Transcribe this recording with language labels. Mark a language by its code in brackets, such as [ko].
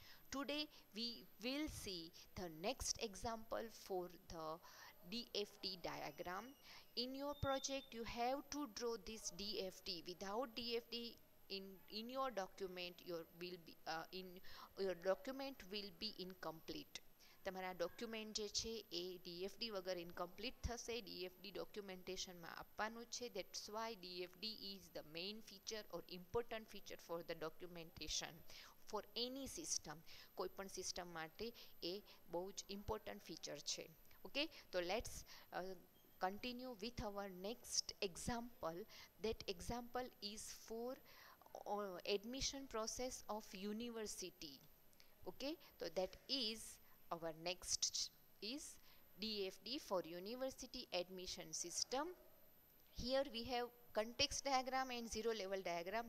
[en] Today we will see the next example for the DFD diagram. In your project you have to draw this DFD. Without DFD in your document, your document will be incomplete. [gu] તમારા document જે છે એ ડીએફડી વગર incomplete થશે. ડીએફડી ડોક્યુમેન્ટેશનમાં આપવાનું છે. [en] That's why DFD is the main feature or important feature for the documentation for any system. [gu] કોઈ પણ system માટે એ બહુ જ ઇમ્પોર્ટન્ટ ફીચર છે. [en] Okay, તો let's continue with our next example. That example is for admission process of university. Okay, so that is our next is DFD for university admission system. Here we have context diagram and zero level diagram.